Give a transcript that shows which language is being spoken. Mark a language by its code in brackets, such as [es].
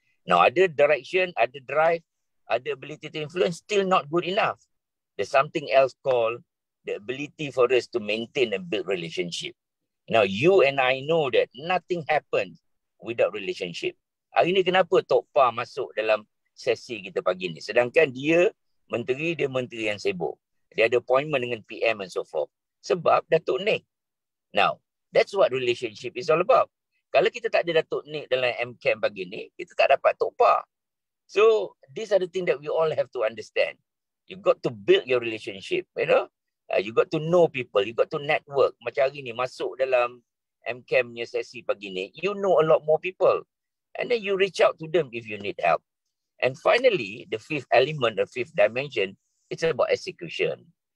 [en] Now, ada direction, ada drive, ada ability to influence, still not good enough. There's something else called the ability for us to maintain and build relationship. Now, you and I know that nothing happens without relationship. [ms] Hari ni kenapa Tok Pa masuk dalam sesi kita pagi ni? Sedangkan dia menteri yang sibuk. Dia ada appointment dengan PM [en] and so forth. [ms] Sebab Datuk Nik. [en] Now, that's what relationship is all about. [ms] Kalau kita tak ada Datuk Nik dalam MCAM pagi ni, kita tak dapat Tok Pa. [en] So, these are the things that we all have to understand. You got to build your relationship, you know? You got to know people, you got to network. [ms] Macam hari ni, masuk dalam MCAM punya sesi pagi ni, [en] you know a lot more people. And then you reach out to them if you need help. And finally, the fifth element, the fifth dimension, it's about execution.